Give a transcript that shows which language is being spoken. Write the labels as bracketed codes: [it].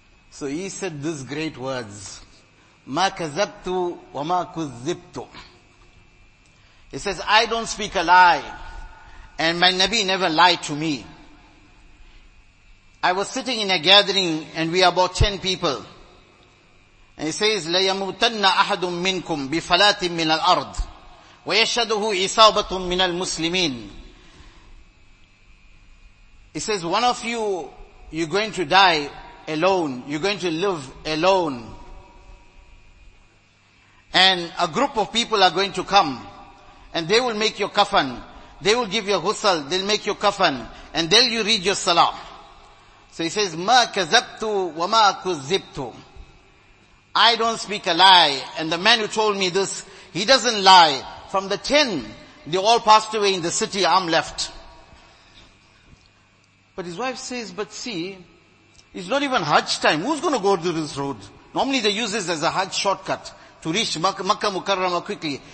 [en] So he said these great words. Ma kazabtu wa ma kuzibtu. He says, I don't speak a lie. And my Nabi never lied to me. I was sitting in a gathering and we are about 10 people. [ar] And he says, لَيَمُوتَنَّ أَحَدٌ مِّنْكُمْ بِفَلَاتٍ مِّنَ الْأَرْضِ وَيَشَّدُهُ إِصَابَةٌ مِّنَ الْمُسْلِمِينَ. [en] He says, one of you, you're going to die alone. You're going to live alone. And a group of people are going to come. And they will make your kafan. They will give your ghusl. They'll make your kafan. And they'll you read your salah. [ar] So he says, مَا كَذَبْتُ وَمَا كُذِّبْتُ. [en] I don't speak a lie. And the man who told me this, he doesn't lie. From the 10, they all passed away in the city. I'm left. But his wife says, but see, it's not even Hajj time. Who's going to go through this road? Normally they use this as a Hajj shortcut to reach Makkah Mukarrama quickly.